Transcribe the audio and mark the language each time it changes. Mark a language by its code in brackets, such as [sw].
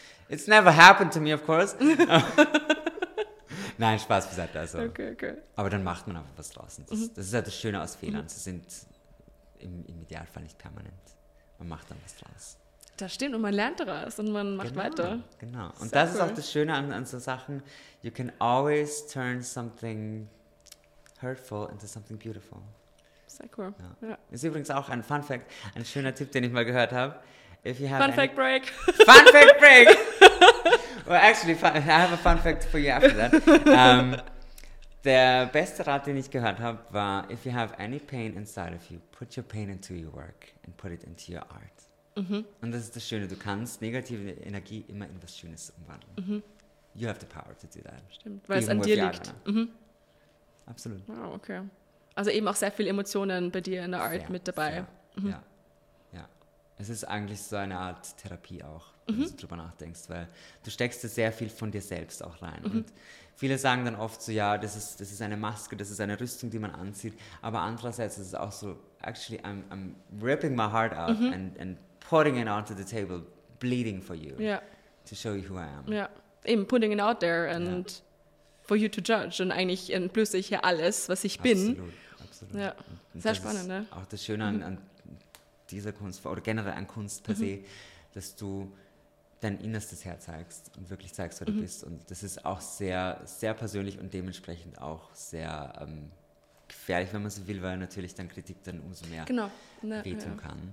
[en] It's never happened to me, of course. [de] Nein, Spaß beiseite. Also. [en] Okay. [de] Aber dann macht man einfach was draus. Das ist halt das Schöne aus Fehlern. Mhm. Sie sind im Idealfall nicht permanent. Man macht dann was draus. Das stimmt und man lernt daraus und man macht weiter. Genau. Und sehr das cool. Ist auch das Schöne an so Sachen. [en] You can always turn something hurtful into something beautiful. [de] Sehr cool. Ja. Ja. Ist übrigens auch ein Fun Fact, ein schöner Tipp, den ich mal gehört habe. [en] If you have fun Fact Break. Fun Fact Break. Well, actually, I have a fun fact for you after that. [de] Der beste Rat, den ich gehört habe, war, [en] if you have any pain inside of you, put your pain into your work and put it into your art. Mhm. [de] Und das ist das Schöne, du kannst negative Energie immer in was Schönes umwandeln. Mhm. [en] You have the power to do that. [de] Stimmt, weil es an dir liegt. Mhm. Absolut. Oh, okay. Also eben auch sehr viele Emotionen bei dir in der Art mit dabei. Ja. Es ist eigentlich so eine Art Therapie auch, wenn du drüber nachdenkst, weil du steckst da sehr viel von dir selbst auch rein. Mhm. Und viele sagen dann oft so, ja, das ist eine Maske, das ist eine Rüstung, die man anzieht. Aber andererseits ist es auch so, [en] actually, I'm ripping my heart out and putting it onto the table, bleeding for you, to show you who I am. [de] Ja, eben [en] putting it out there and for you to judge. [de] Und eigentlich entblöße ich hier alles, was ich bin. Absolut. Ja, und sehr spannend, ne? Auch das Schöne an dieser Kunst, oder generell an Kunst per se, dass du dein innerstes Herz zeigst und wirklich zeigst, wer du bist. Und das ist auch sehr, sehr persönlich und dementsprechend auch sehr gefährlich, wenn man so will, weil natürlich dann Kritik dann umso mehr wehtun kann.